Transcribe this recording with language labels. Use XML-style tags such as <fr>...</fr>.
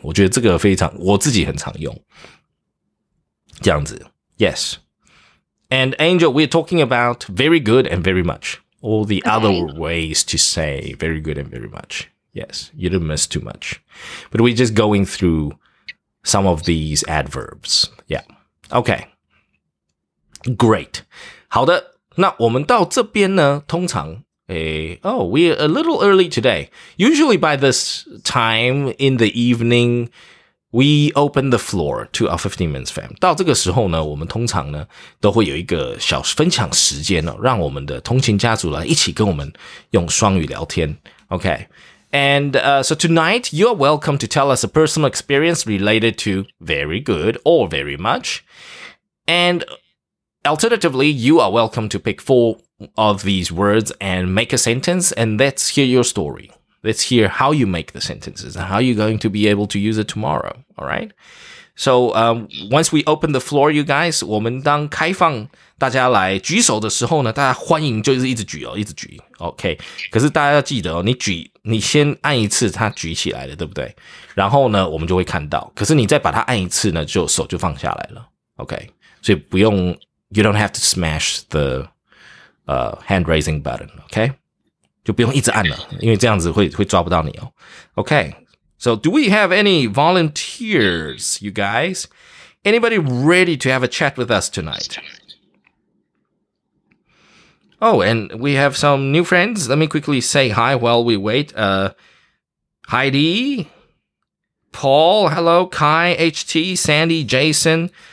<zh>我觉得这个非常我自己很常用。这样子。Yes.</zh> <en>And Angel, we're talking about very good and very much. All the other ways to say very good and very much. Yes. You didn't miss too much. But we're just going through some of these adverbs. Yeah. Okay, great.</en> <zh>好的，那我们到这边呢，通常，</zh> <en>oh, we're a little early today. Usually by this time in the evening, we open the floor to our 15 minutes fam.</en> <zh>到这个时候呢，我们通常呢，都会有一个小分享时间哦，让我们的通勤家族来一起跟我们用双语聊天。</zh> <en>Okay. And so tonight, you're welcome to tell us a personal experience related to very good or very much. And alternatively, you are welcome to pick four of these words and make a sentence and let's hear your story. Let's hear how you make the sentences and how you're going to be able to use it tomorrow. All right. So, once we open the floor, you guys,</en> <zh>我们当开放大家来举手的时候呢，大家欢迎就是一直举哦，一直举。</zh> <en>OK.</en> <zh>可是大家要记得哦，你举，你先按一次它举起来的，对不对？然后呢，我们就会看到。可是你再把它按一次呢，就手就放下来了。</zh> <en>OK.</en> <zh>所以不用</zh> <en>,you don't have to smash the, hand raising button. OK.</en> <zh>就不用一直按了，因为这样子会抓不到你哦。</zh> <en>Okay, so do we have any volunteers, you guys? Anybody ready to have a chat with us tonight? Oh, and we have some new friends. Let me quickly say hi while we wait. Heidi, Paul, hello, Kai, HT, Sandy, Jason.</en>